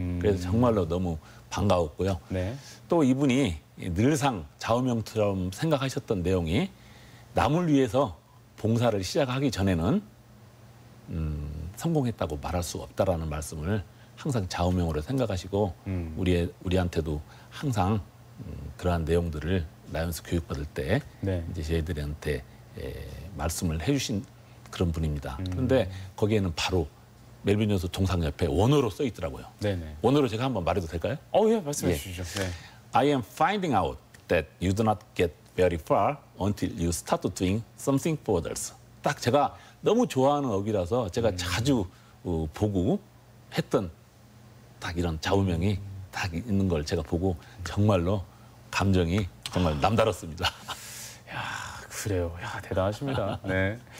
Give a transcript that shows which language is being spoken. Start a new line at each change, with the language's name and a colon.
Korean: 그래서 정말로 너무 반가웠고요. 네. 또 이분이 늘상 좌우명처럼 생각하셨던 내용이 남을 위해서 봉사를 시작하기 전에는 성공했다고 말할 수 없다라는 말씀을 항상 좌우명으로 생각하시고 우리한테도 항상 그러한 내용들을 라이온스 교육받을 때 이제 저희들한테 말씀을 해주신 그런 분입니다. 그런데 거기에는 바로 멜빈 존스 동상 옆에 원어로 써 있더라고요. 네네. 원어로 제가 한번 말해도 될까요? 말씀해 주시죠. 네.
English: I am finding out that you do not get very far until you start doing something for others.
Korean: 딱 제가 너무 좋아하는 어기라서 제가 자주 보고 했던 딱 이런 좌우명이 딱 있는 걸 제가 보고 정말로 감정이 정말 남다랐습니다. 야, 그래요. 야, 대단하십니다. 네.